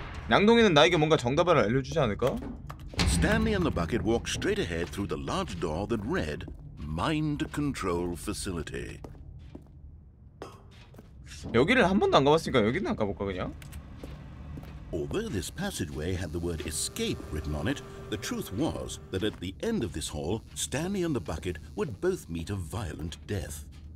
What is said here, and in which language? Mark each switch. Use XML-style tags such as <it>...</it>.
<ko>양동이는 나에게 뭔가 정답을 알려주지 않을까?</ko> <en>Stanley and the bucket walked straight ahead through the large door that read Mind Control Facility.</en> <ko>여기를 한 번도 안 가봤으니까 여기는 안 가볼까 그냥?</ko> <en>Although this passageway had the word escape written on it, the truth was that at the end of this hall, Stanley and the bucket would both meet a violent death.</en>